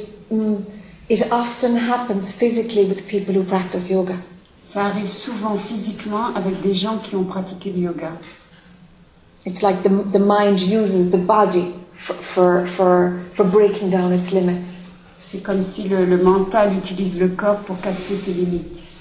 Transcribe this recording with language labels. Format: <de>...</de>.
<en>It often happens physically with people who practice yoga.</en> <fr>Ça arrive souvent physiquement avec des gens qui ont pratiqué le yoga.</fr> <en>It's like the mind uses the body for breaking down its limits.</en> <fr>C'est comme si le mental utilise le corps pour casser ses limites.</fr>